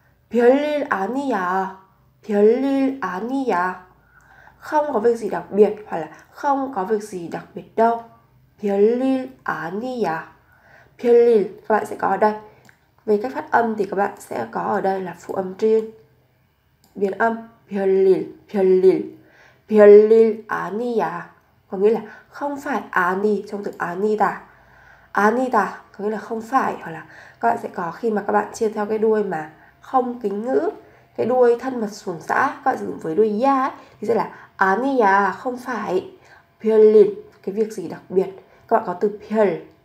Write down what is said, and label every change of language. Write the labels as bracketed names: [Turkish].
[Korean] 별일 아니야. 별일 아니야. [Vietnamese] Không có việc gì đặc biệt hoặc là không có việc gì đặc biệt đâu. [Korean] 별일 아니야. [Vietnamese] 별일 các bạn sẽ có ở đây. Về cách phát âm thì các bạn sẽ có ở đây là phụ âm riêng. Biến âm [Korean] 별일 별일 별일 아니야. [Vietnamese] Có nghĩa là không phải 아니 trong từ 아니다. 아니다 có nghĩa là không phải hoặc là các bạn sẽ có khi mà các bạn chia theo cái đuôi mà không kính ngữ cái đuôi thân mật xuồng xã các bạn sử dụng với đuôi ya ấy, thì sẽ là 아니야 không phải 별일 cái việc gì đặc biệt các bạn có từ 별